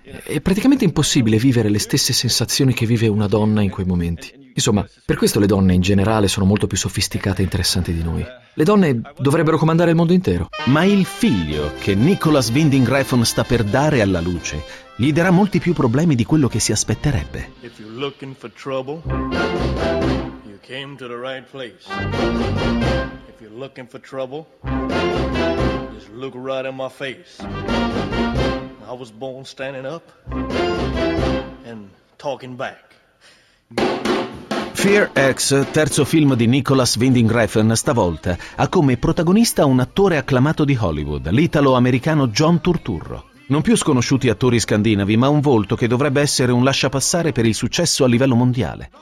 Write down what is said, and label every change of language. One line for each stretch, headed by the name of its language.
Italian: È praticamente impossibile vivere le stesse sensazioni che vive una donna in quei momenti. Insomma, per questo le donne in generale sono molto più sofisticate e interessanti di noi. Le donne dovrebbero comandare il mondo intero. Ma il figlio che Nicholas Winding Refn sta per dare alla luce gli darà molti più problemi di quello che si aspetterebbe.
English: If you're looking for trouble, you came to the right place. If you're looking for trouble, just look right in my face. I was born standing up and talking back.
Italian: Fear X, terzo film di Nicholas Winding Refn, stavolta ha come protagonista un attore acclamato di Hollywood, l'italo-americano John Turturro. Non più sconosciuti attori scandinavi, ma un volto che dovrebbe essere un lasciapassare per il successo a livello mondiale.